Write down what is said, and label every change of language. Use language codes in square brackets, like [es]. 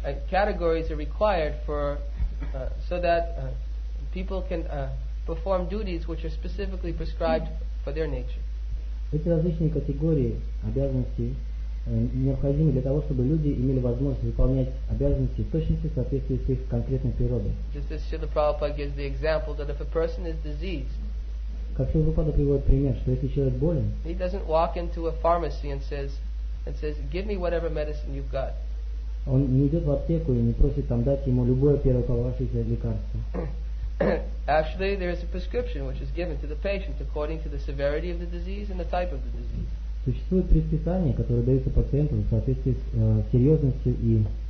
[en] categories are required for so that people can perform duties which are specifically prescribed for their nature. [ru] Эти различные категории обязанностей необходимы для того, чтобы люди имели возможность выполнять обязанности в точности в соответствии с их конкретной природой. [en] This is Srila Prabhupada gives the example that if a person is diseased, [ru] как Srila Prabhupada приводит пример, что если человек болен, [en] he doesn't walk into a pharmacy and says, give me whatever medicine you've got. [ru] Он не идет в аптеку и не просит там дать ему любое первое попавшееся лекарство. [en] Actually, there is a prescription which is given to the patient according to the severity of the disease and the type of the disease. [ru] Существует предписание, которое дается пациенту в соответствии с серьезностью и